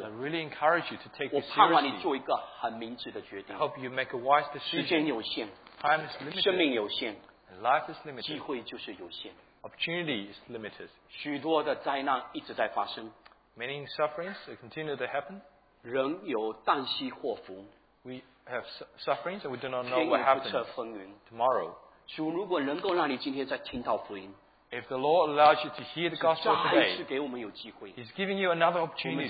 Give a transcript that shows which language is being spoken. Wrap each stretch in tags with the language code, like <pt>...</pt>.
<en>I really encourage you to take it seriously.</en> <zh>我盼望你做一个很明智的决定,</zh> <en>I hope you make a wise decision.</en> <zh>时间有限,</zh> <en>time is limited.</en> <zh>生命有限,</zh> <en>and life is limited.</en> <zh>机会就是有限,</zh> <en>opportunity is limited.</en> <zh>许多的灾难一直在发生,</zh> <en>many sufferings continue to happen.</en> <zh>人有旦夕祸福,</zh> <en>we have sufferings and we do not know what happens tomorrow.</en> <zh>主如果能够让你今天再听到福音,</zh> <en>if the Lord allows you to hear the gospel today, he's giving you another opportunity.</en>